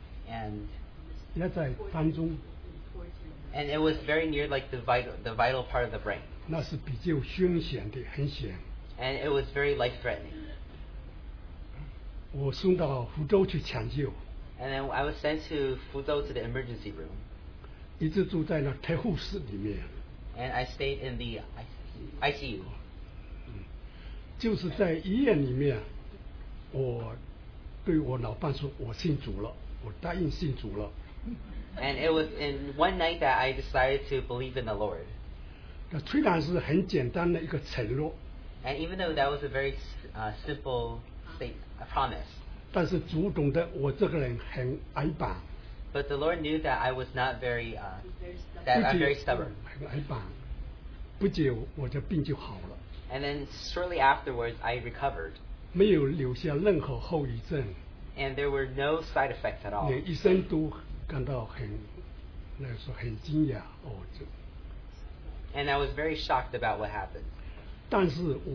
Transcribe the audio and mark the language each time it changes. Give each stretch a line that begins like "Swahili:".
English: and it was very near like the vital part of the brain.
Chinese: 那是比较凶险的, 很险,
English: and it was very life threatening.
Chinese: 我送到福州去抢救,
English: and then I was sent to Fuzhou to the emergency room.
Chinese: 一直住在那台护室里面,
English: and I stayed in the ICU.
Chinese: 就是在医院里面, 我对我老伴说我信主了，我答应信主了。
English: And it was in one night that I decided to believe in the Lord.
Chinese: 那虽然是很简单的一个承诺,
English: and even though that was a very simple state, a promise,
Chinese: 但是主懂得我这个人很矮板,
English: but the Lord knew that I was not very I'm very stubborn.
Chinese: 很矮板, 不久我的病就好了,
English: and then shortly afterwards I recovered,
Chinese: 没有留下任何后遗症,
English: and there were no side effects at all.
Chinese: 连医生都感到很惊讶, 哦,
English: and I was very shocked about what happened.